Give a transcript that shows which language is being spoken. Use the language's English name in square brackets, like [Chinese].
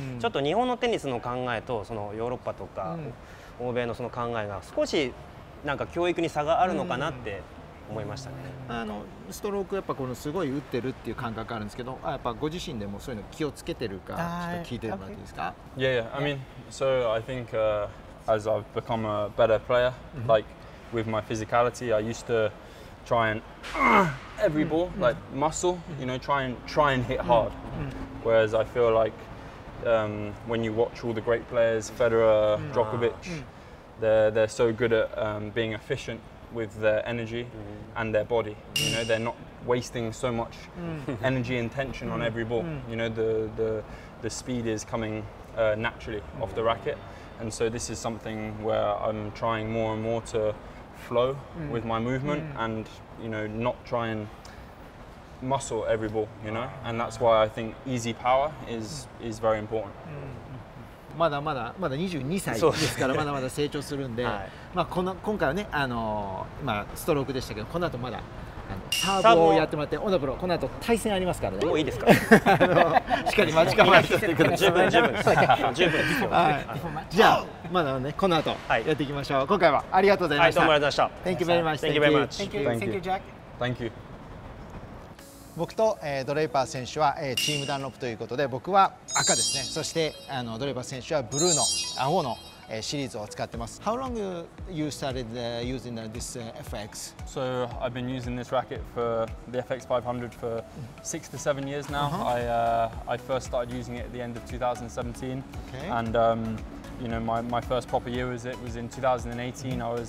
[Japanese] ちょっと日本のテニスの考えとそのヨーロッパとか欧米のその考えが少しなんか教育に差があるのかなって。思いましたね。ストロークやっぱこのすごい打ってるっていう感覚あるんですけど、やっぱご自身でもそういうの気をつけてるかちょっと聞いてもらっていいですか？ [English] Yeah, yeah. I mean, so I think as I've become a better player, like with my physicality, I used to try and every ball, like muscle, you know, try and hit hard. Whereas I feel like when you watch all the great players, Federer, Djokovic, they're so good at being efficient. With their energy and their body, you know, they're not wasting so much energy and tension on every ball. You know, the speed is coming naturally off the racket, and so this is something where I'm trying more and more to flow with my movement and you know not try and muscle every ball. You know, and that's why I think easy power is very important. [Japanese] まだまだまだ22歳ですからまだまだ成長するんで、はい、まあ、今回はね、ストロークでしたけどこの後まだ、サーブをやってもらって、小野プロ、この後対戦ありますからね。もういいですか。しっかり待ち構えてください。十分ですよ。じゃあ、まだね、この後やっていきましょう。はい、今回はありがとうございました。はい、どうもありがとうございました。 [English] Thank you very much. Thank you very much. Thank you, Jack. Thank you. [Japanese] 僕と、ドレーパー選手は、チームダンロップということで、僕は赤ですね。そしてあのドレーパー選手はブルーの青の、シリーズを使ってます。 [English] How long you started using this FX? So I've been using this racket for the FX 500 for 6 to 7 years now. I first started using it at the end of 2017. Okay. And you know my first proper year was in 2018. Mm-hmm.